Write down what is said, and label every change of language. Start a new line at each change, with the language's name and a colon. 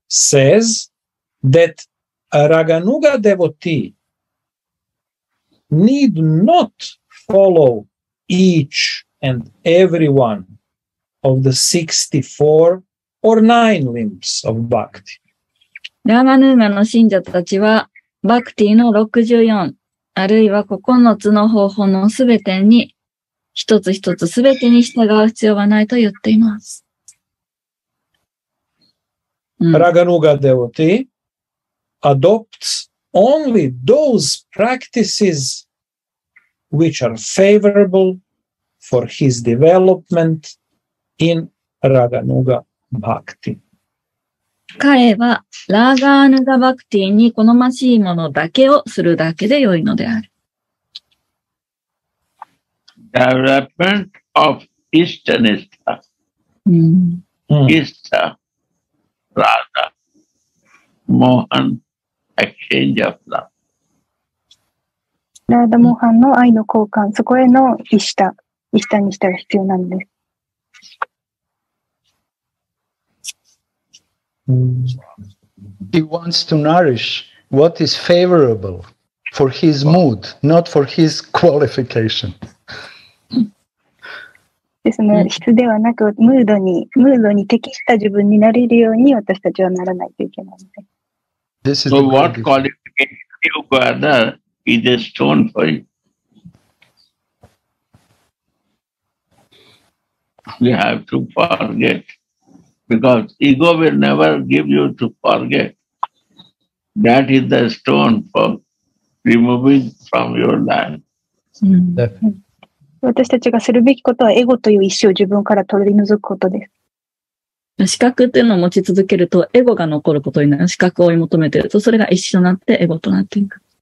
English: says that a Raganuga devotee need not follow each and every one of the 64Or nine limbs of bhakti.
Japanese: ラガヌーガの信者たちは、バクティの64、あるいは9つの方法のすべてに、一つ一つすべてに従う必要はないと言っています。
English: ラガヌーガ devotee adopts only those practices which are favorable for his development in Raganuga Bhakti.
Japanese: 彼はラーガーヌガバクティに好ましいものだけをするだけでよいのである。
English: Development of Ishtanistha. Ishta, Radha, Mohan, exchange of love.
Japanese: ラーダ・モハンの愛の交換、そこへのイシタ、イシタニシタが必要なんです。
English: He wants to nourish what is favorable for his mood, not for his qualification.
Japanese: ですね、質ではなくムードに、ムードに適した自分になれるように私たちはならないといけないので。
English: This is so what qualification you gather is a stone for you. You have to forget. Because ego will never give you to forget. That is the stone for removing from your land. Definitely.
Japanese: 私たちがするべきことはエゴという意思を自分から取り除くことです。資格っていうのを持ち続けるとエゴが残ることになる。資格を追い求めてるとそれが意思となってエゴとなっていく。